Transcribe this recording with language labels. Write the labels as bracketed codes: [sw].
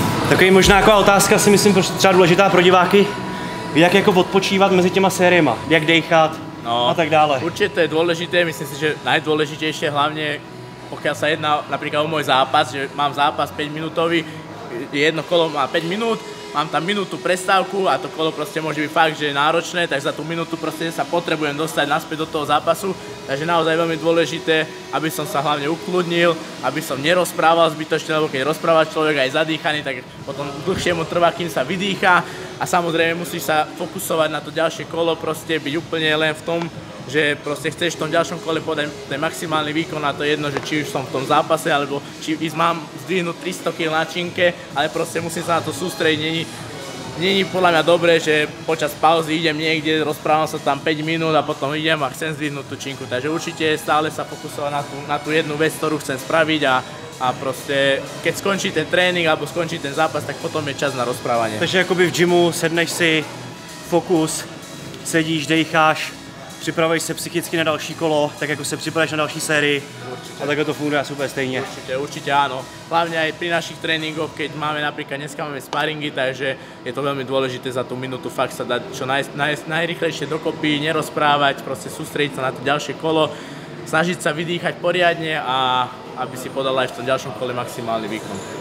[cs] Takže možná taková otázka, si myslím, třeba důležitá pro diváky, jak jako odpočívat mezi těma sériema, jak dýchat. No, tak dále. [sk] Určite to je dôležité, myslím si, že najdôležitejšie hlavne, pokiaľ sa jedná napríklad o môj zápas, že mám zápas 5 minútový, jedno kolo má 5 minút, mám tam minútu prestávku a to kolo proste môže byť fakt, že je náročné, tak za tú minútu proste sa potrebujem dostať naspäť do toho zápasu, takže naozaj veľmi dôležité, aby som sa hlavne ukludnil, aby som nerozprával zbytočne, lebo keď rozpráva človek aj zadýchaný, tak potom dlhšie mu trvá, kým sa vydýchá. A samozrejme musíš sa fokusovať na to ďalšie kolo, proste byť úplne len v tom, že proste chceš v tom ďalšom kole podať ten maximálny výkon a to je jedno, že či už som v tom zápase, alebo či mám zdvihnúť 300 kg na činke, ale proste musím sa na to sústrediť. Není podľa mňa dobré, že počas pauzy idem niekde, rozprávam sa tam 5 minút a potom idem a chcem zdvihnúť tú činku. Takže určite stále sa fokusovať na tú jednu vec, ktorú chcem spraviť a proste keď skončí ten tréning alebo skončí ten zápas, tak potom je čas na rozprávanie. Takže akoby v gymu sedneš si, [cs] fokus, sedíš, dejcháš, připravuješ se psychicky na další kolo, tak jako se připravuješ na další sérii. Určitě. A takhle to funguje super stejně. Určitě ano. [sk] Hlavně i při našich tréninkoch, keď máme například dneska máme sparingy, takže je to [cs] velmi důležité za tu minutu fakt se dát [sk] čo najrychlejšie dokopy, nerozprávať, prostě sústrediť sa na to ďalšie kolo, snažiť sa vydýchať poriadne a aby si podal aj v tom ďalšom kole maximálny výkon.